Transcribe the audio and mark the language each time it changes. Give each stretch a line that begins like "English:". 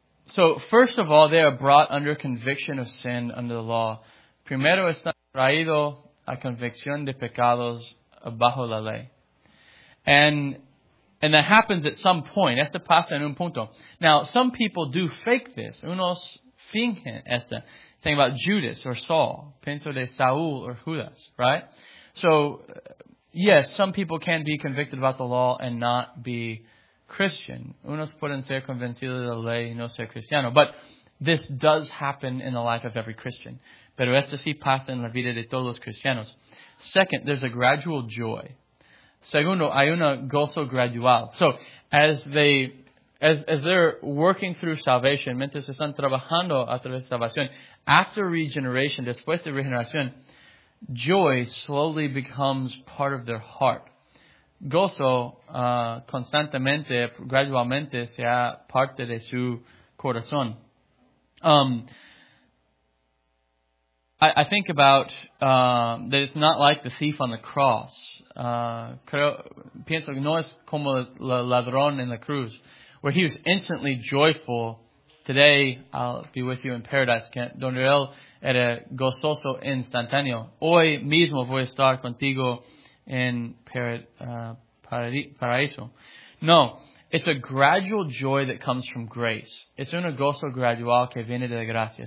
English: So first of all, they are brought under conviction of sin under the law.
Spanish: Primero están traído a convicción de pecados bajo la ley.
English: And that happens at some point.
Spanish: Esto pasa en un punto.
English: Now, some people do fake this.
Spanish: Unos fingen esto.
English: Think about Judas or Saul.
Spanish: Pienso de Saul or Judas,
English: right? So, yes, some people can be convicted about the law and not be Christian.
Spanish: Unos pueden ser convencidos de la ley y no ser cristiano.
English: But this does happen in the life of every Christian.
Spanish: Pero esto sí pasa en la vida de todos los cristianos.
English: Second, there's a gradual joy.
Spanish: Segundo, hay un gozo gradual.
English: So, as they're working through salvation,
Spanish: mientras están trabajando a través de salvación,
English: after regeneration,
Spanish: después de regeneración,
English: joy slowly becomes part of their heart.
Spanish: Gozo constantemente, gradualmente, sea parte de su corazón.
English: I think about that it's not like the thief on the cross.
Spanish: Pienso que no es como el ladrón en la cruz,
English: where he was instantly joyful. Today, I'll be with you in paradise.
Spanish: Donde él era gozoso instantáneo. Hoy mismo voy a estar contigo en paraíso.
English: No, it's a gradual joy that comes from grace.
Spanish: Es un gozo gradual que viene de la gracia.